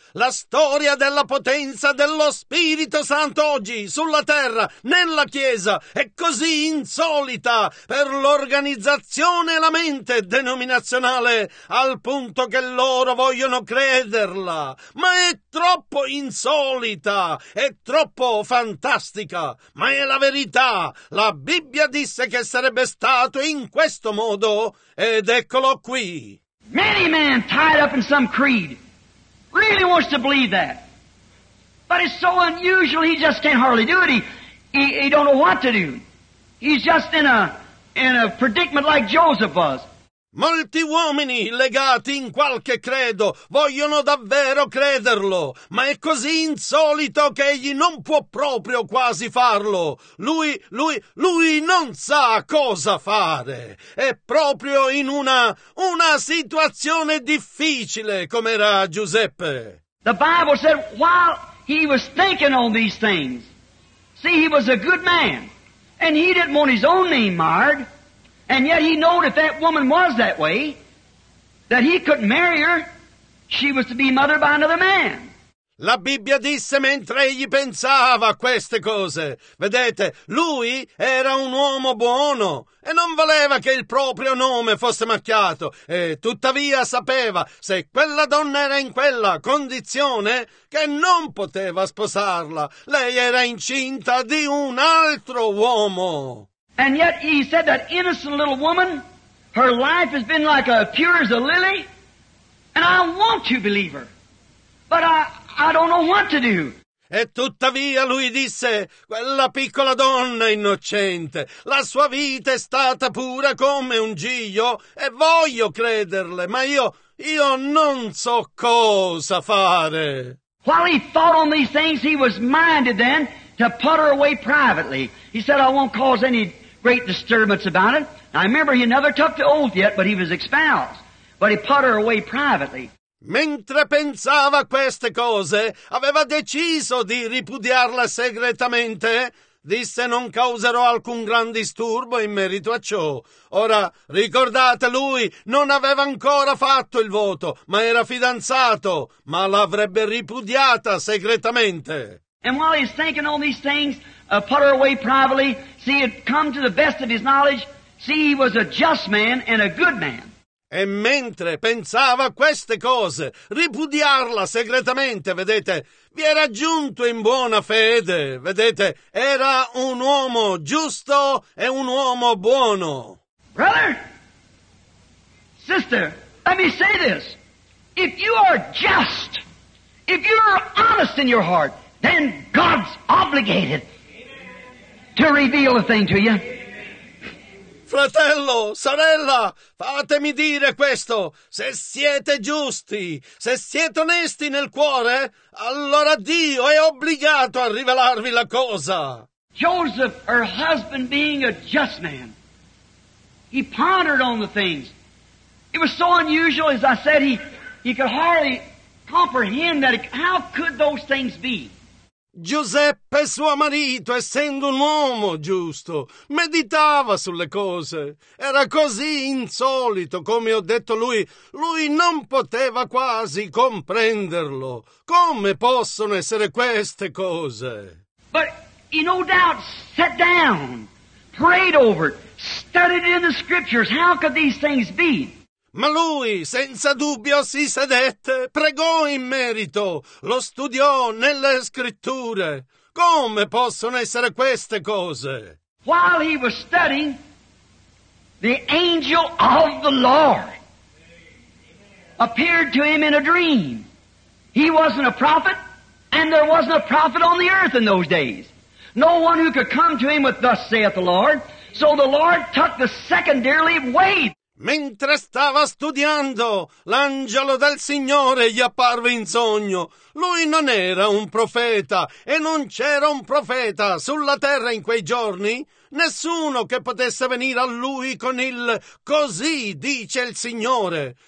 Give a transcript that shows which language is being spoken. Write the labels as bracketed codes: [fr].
[it] La storia della potenza dello Spirito Santo oggi, sulla terra, nella Chiesa, è così insolita per l'organizzazione e la mente denominazionale, al punto che loro vogliono crederla. Ma è troppo insolita, è troppo fantastica, ma è la verità. La Bibbia disse che sarebbe stato in questo modo, ed eccolo qui. [en] Many men tied up in some creed. Really wants to believe that. But it's so unusual, he just can't hardly do it. He don't know what to do. He's just in a predicament like Joseph was. [it] Molti uomini legati in qualche credo vogliono davvero crederlo, ma è così insolito che egli non può proprio quasi farlo. Lui non sa cosa fare. È proprio in una situazione difficile, come era Giuseppe. [en] The Bible said while he was thinking on these things, see, he was a good man, and he didn't want his own name marred. And yet he knew if that woman was that way, that he couldn't marry her, she was to be mother by another man. [it] La Bibbia disse mentre egli pensava a queste cose, vedete, lui era un uomo buono e non voleva che il proprio nome fosse macchiato e tuttavia sapeva se quella donna era in quella condizione che non poteva sposarla, lei era incinta di un altro uomo. [en] And yet he said that innocent little woman, her life has been like a pure as a lily, and I want to believe her, but I don't know what to do. [it] E tuttavia lui disse, quella piccola donna innocente, la sua vita è stata pura come un giglio, e voglio crederle, ma io non so cosa fare. [en] While he thought on these things, he was minded then to put her away privately. He said, I won't cause any great disturbance about it. Now, I remember he never took the oath yet, but he was espoused. But he put her away privately. [it] Mentre pensava queste cose, aveva deciso di ripudiarla segretamente. Disse non causerò alcun gran disturbo in merito a ciò. Ora, ricordate, lui non aveva ancora fatto il voto, ma era fidanzato, ma l'avrebbe ripudiata segretamente. [en] And while he's thinking on these things, put her away privately, see, it come to the best of his knowledge, see, he was a just man and a good man. [it] E mentre pensava queste cose, ripudiarla segretamente, vedete, vi era giunto in buona fede, vedete, era un uomo giusto e un uomo buono. [en] Brother, sister, let me say this. If you are just, if you are honest in your heart, then God's obligated to reveal a thing to you. [it] Fratello, sorella, fatemi dire questo. Se siete giusti, se siete onesti nel cuore, allora Dio è obbligato a rivelarvi la cosa. [en] Joseph, her husband, being a just man, he pondered on the things. It was so unusual, as I said, he could hardly comprehend that. How could those things be? [it] Giuseppe, suo marito, essendo un uomo giusto, meditava sulle cose. Era così insolito, come ho detto lui. Lui non poteva quasi comprenderlo. Come possono essere queste cose? [en] But he no doubt sat down, prayed over, studied in the scriptures. How could these things be? [it] Ma lui, senza dubbio, si sedette, pregò in merito, lo studiò nelle scritture. Come possono essere queste cose? [en] While he was studying, the angel of the Lord appeared to him in a dream. He wasn't a prophet, and there wasn't a prophet on the earth in those days. No one who could come to him with, thus saith the Lord. So the Lord took the secondary way. [it] Mentre stava studiando, l'angelo del Signore gli apparve in sogno. Lui non era un profeta e non c'era un profeta sulla terra in quei giorni. Nessuno che potesse venire a lui con il «così dice il Signore».